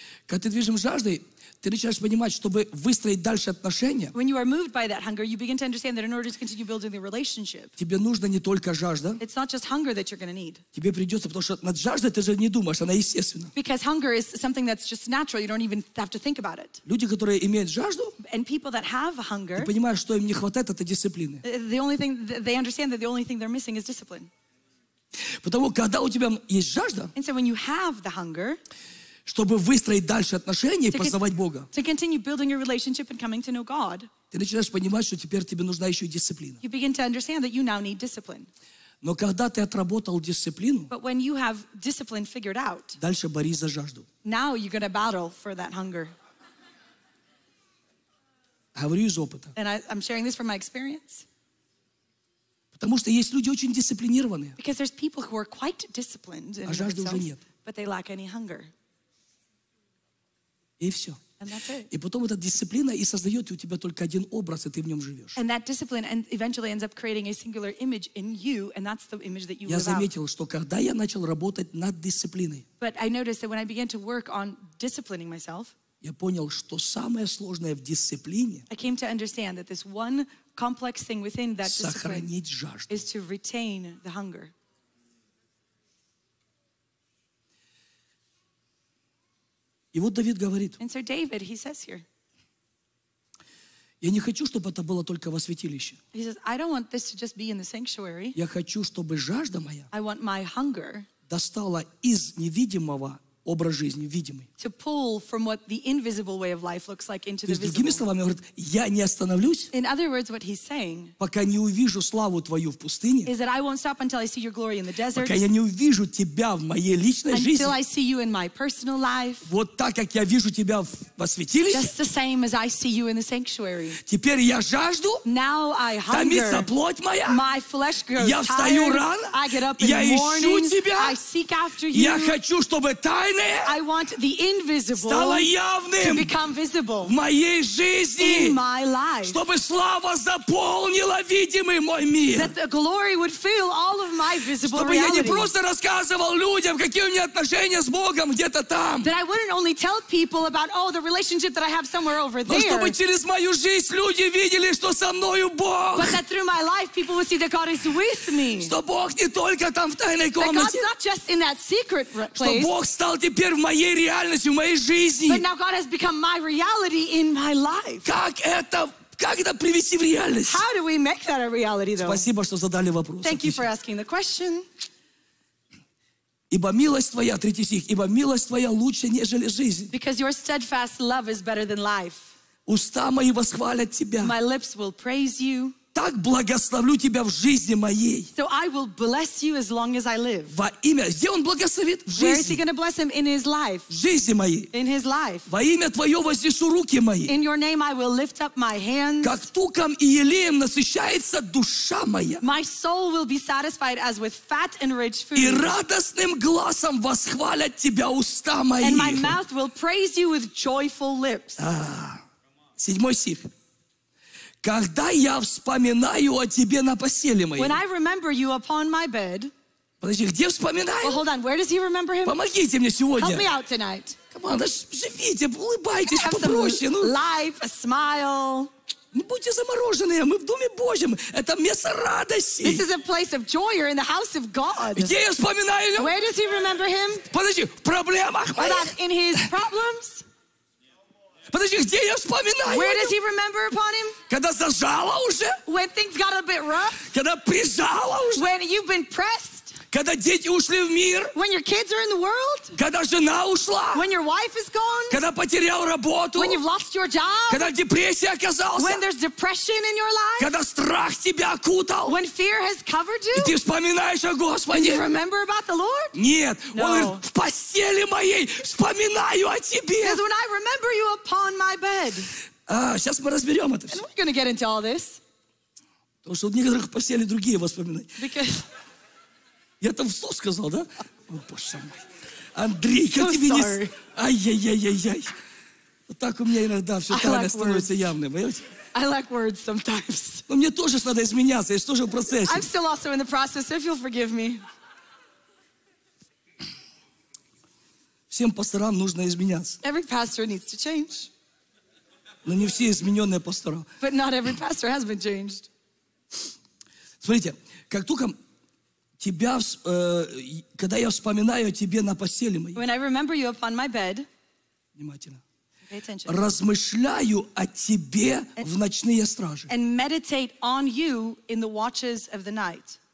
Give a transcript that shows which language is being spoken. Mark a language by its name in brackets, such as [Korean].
[Russian] когда ты движим жаждой, ты начинаешь понимать, чтобы выстроить дальше отношения, [English] when you are moved by that hunger, you begin to understand that in order to continue building the relationship, [Russian] тебе нужно не только жажда, [English] it's not just hunger that you're going to need. [Russian] Тебе придется, потому что над жаждой ты же не думаешь, она естественна. [English] Because hunger is something that's just natural, you don't even have to think about it. [Russian] Люди, которые имеют жажду, [English] and people that have hunger, [Russian] и понимают, что им не хватает, это дисциплины. [English] The only thing, they understand that the only thing they're missing is discipline. [Russian] Потому когда у тебя есть жажда, [English] and so when you have the hunger, [Russian] чтобы выстроить дальше отношения и познавать Бога. [English] To continue building your relationship and coming to know God. [Russian] Ты начинаешь понимать, что теперь тебе нужна еще дисциплина. [English] You begin to understand that you now need discipline. [Russian] Но когда ты отработал дисциплину, [English] but when you have discipline figured out, [Russian] дальше борись за жажду. [English] Now you're going to battle for that hunger. [Russian] Говорю из опыта. [English] And I'm sharing this from my experience. [Russian] Потому что есть люди очень дисциплинированные. [English] Because there's people who are quite disciplined in [Russian] а жажды [English] themselves, [Russian] уже нет. [English] But they lack any hunger. [Russian] И все. [English] And that's it. [Russian] И потом эта дисциплина и создает у тебя только один образ, и ты в нем живешь. [English] And that discipline eventually ends up creating a singular image in you, and that's the image that you live out. [Russian] Я заметил, что когда я начал работать над дисциплиной, [English] but I noticed that when I began to work on disciplining myself, [Russian] я понял, что самое сложное в дисциплине, [English] I came to understand that this one complex thing within that discipline, [Russian] сохранить жажду, [English] is to retain the hunger. [Russian] И вот Давид говорит, [English] and so David, he says here, [Russian] я не хочу, чтобы это было только во святилище. [English] He says, I don't want this to just be in the sanctuary. [Russian] Я хочу, чтобы жажда моя [English] I want my hunger [Russian] достала из невидимого образ жизни, видимый. [English] To pull from what the invisible way of life looks like into the visible. [Russian] Другими словами, говорит, я не остановлюсь. [English] In other words, what he's saying. [Russian] Пока не увижу славу твою в пустыне. [English] Is that I won't stop until I see your glory in the desert. [Russian] Пока я не увижу тебя в моей личной [English] until [Russian] жизни. [English] Until I see you in my personal life. [Russian] Вот так, как я вижу тебя во святилище. [English] Just the same as I see you in the sanctuary. [Russian] Теперь я жажду. [English] Now I hunger. [Russian] Томится плоть моя. [English] My flesh grows tired. [Russian] Я встаю рано. [English] I get up in the morning. [Russian] Я ищу тебя. [English] I seek after you. [Russian] Я хочу, чтобы тайна [English] I want the invisible to become visible [Russian] в моей жизни, [English] in my life. [Russian] Чтобы слава заполнила видимый мой мир. [English] That the glory would fill all of my visible [Russian] чтобы [English] reality. [Russian] Я не просто рассказывал людям, какие у меня отношения с Богом где-то там. [English] That I wouldn't only tell people about, oh, the relationship that I have somewhere over there. [Russian] Но чтобы через мою жизнь люди видели, что со мною Бог. [English] But that through my life people would see that God is with me. [Russian] Что Бог не только там в тайной комнате. [English] That God's not just in that secret place. [Russian] Что Бог стал теперь в моей реальности, в моей жизни. [English] But now God has become my reality in my life. [Russian] Как это привести в реальность? [English] How do we make that a reality, though? [Russian] Спасибо, что задали вопрос. [English] Thank you for asking the question. [Russian] Ибо милость твоя, третий стих, ибо милость твоя лучше, нежели жизнь. [English] Because your steadfast love is better than life. [Russian] Уста мои восхвалят тебя. [English] My lips will praise you. [Russian] Так благословлю тебя в жизни моей. [English] So I will bless you as long as I live. [Russian] Во имя, где он благословит? В жизни. [English] Where is he going to bless him? In his life. [Russian] В жизни моей. [English] In his life. [Russian] Во имя твое вознесу руки мои. [English] In your name I will lift up my hands. [Russian] Как туком и елеем насыщается душа моя. [English] My soul will be satisfied as with fat and rich food. [Russian] И радостным глазом восхвалят тебя уста мои. [English] And my mouth will praise you with joyful lips. [Russian] Седьмой стих. Когда я вспоминаю о тебе на постели моей. [English] When I remember you upon my bed. [Russian] Подожди, где вспоминаю? [English] Well, hold on, where does he remember him? [Russian] Помогите мне сегодня. [English] Help me out tonight. Come on, [Russian] живите, улыбайтесь попроще. Ну. [English] Life, a smile. [Russian] Не будьте замороженные, мы в Доме Божьем. Это место радости. [English] This is a place of joy, you're in the house of God. [Russian] Где я вспоминаю? [English] Where does he remember him? [Russian] Подожди, в проблемах моих. [English] Hold on, in his problems. [Russian] Подожди, где я вспоминаю? [English] Where does he remember upon him? [Russian] Когда зажало уже? [English] When things got a bit rough? [Russian] Когда прижало уже? [English] When you've been pressed? [Russian] Когда дети ушли в мир? [English] When your kids are in the world? [Russian] Когда жена ушла? [English] When your wife is gone? [Russian] Когда потерял работу? [English] When you've lost your job? [Russian] Когда в депрессии оказался? [English] When there's depression in your life? [Russian] Когда страх тебя окутал? [English] When fear has covered you? [Russian] И ты вспоминаешь о Господе? [English] Do you remember about the Lord? [Russian] Нет. [English] No. [Russian] Он говорит, в постели моей вспоминаю о тебе. [English] Because when I remember you upon my bed. [Russian] Сейчас мы разберем это все. [English] And we're going to get into all this. [Russian] Потому что у некоторых в постели другие воспоминания. [English] Because... [Russian] Я там вслух сказал, да? О, Боже мой. Андрей, как [English] so [Russian] тебе [English] sorry. [Russian] Не... Ай-яй-яй-яй-яй. Вот так у меня иногда все тайное становится [English] words. [Russian] Явным. Понимаете? [English] I lack words sometimes. [Russian] Но мне тоже надо изменяться, я же тоже в процессе. [English] I'm still also in the process, if you'll forgive me. [Russian] Всем пасторам нужно изменяться. [English] Every pastor needs to change. [Russian] Но не все измененные пастора. [English] But not every pastor has been changed. [Russian] Смотрите, как только... Тебя, когда я вспоминаю о тебе на постели моей. [English] When I remember you upon my bed. [Russian] Внимательно. [English] Pay attention. [Russian] Размышляю о тебе в ночные стражи. [English] And meditate on you in the watches of the night.